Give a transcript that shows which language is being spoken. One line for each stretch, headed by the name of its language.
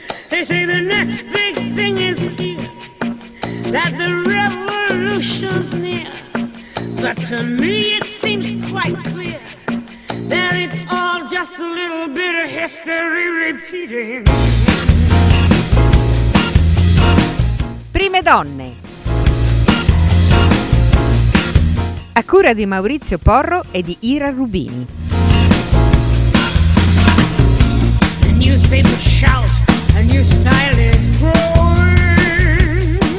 English: They say the next big thing is here, that the revolution's near. But to me it seems quite clear that it's all just a little bit of history repeating.
Italian: Prime donne, a cura di Maurizio Porro e di Ira Rubini.
English: The newspapers shout, a new style is growing.